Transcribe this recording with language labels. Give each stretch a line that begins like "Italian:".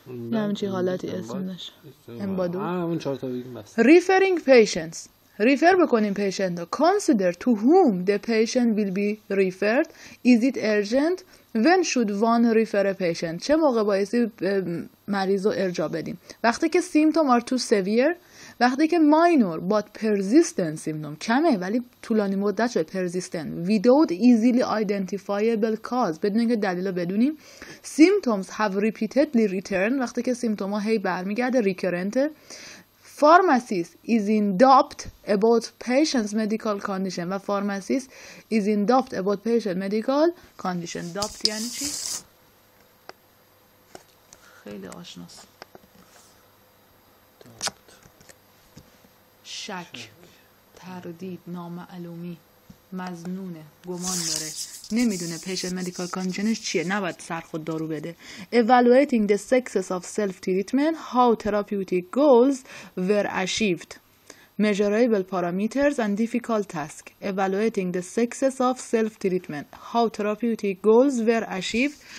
Persian: نمی چی حالتی اسمش امبادو.
English: referring patients،
Persian: ریفر بکنیم پیشنت رو.
English: consider to whom the patient will be referred. is it urgent? when should one refer a patient؟
Persian: چه موقع بایستی مریض رو ارجاع بدیم؟ وقتی که سیمتوم
English: are too severe،
Persian: وقتی که
English: minor but persistent symptom،
Persian: کمه ولی طولانی مدت شده،
English: persistent without easily identifiable cause،
Persian: بدون اینکه دلیل رو بدونیم.
English: symptoms have repeatedly returned،
Persian: وقتی که سیمتوم ها هی برمیگرده،
English: recurrent. Pharmacist is in doubt about patient's medical condition. و pharmacist is in doubt about patient's medical condition.
Persian: Doubt یعنی چی؟ خیلی آشناس. شک. تردید. نامعلومی. مزنونه. گمان داره. نمیدونه پیشنت مدیکال کاندیشنش چیه، نباید سر خود دارو بده.
English: Evaluating the success of self-treatment, how therapeutic goals were achieved. Measurable parameters and difficult task. Evaluating the success of self-treatment, how therapeutic goals were achieved.